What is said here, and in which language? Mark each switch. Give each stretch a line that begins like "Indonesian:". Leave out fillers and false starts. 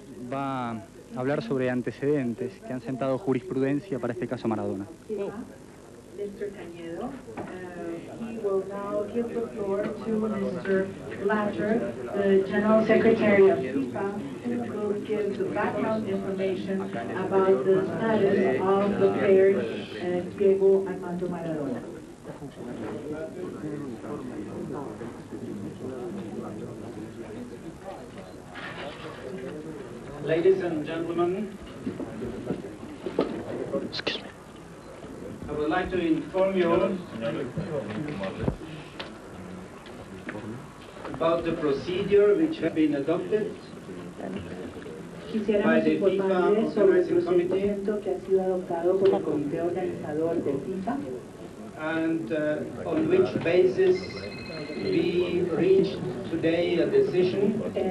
Spanish: va a hablar sobre antecedentes que han sentado jurisprudencia para este caso Maradona.
English: Mr. Cañedo, he will now give the floor to Mr. Blatter, the General Secretary of FIFA, who will give the background information about the status of the player Diego Armando Maradona. Ladies and gentlemen, excuse me. I would like to inform you about the procedure which has been adopted
Spanish: Quisiéramos informarles sobre el procedimiento que ha sido adoptado por el comité organizador de FIFA.
English: And on which basis we reached today a decision